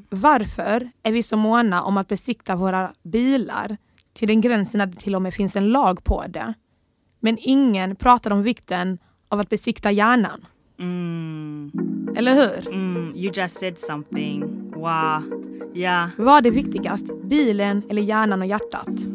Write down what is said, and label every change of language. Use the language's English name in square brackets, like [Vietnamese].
[Swedish] Varför är vi så måna om att besikta våra bilar till den gränsen att det till och med finns en lag på det? Men ingen pratar om vikten av att besikta hjärnan. Mm. Eller hur? [English] Mm, you just said something. Wow. Yeah. [Swedish] Vad är viktigast? Bilen eller hjärnan och hjärtat?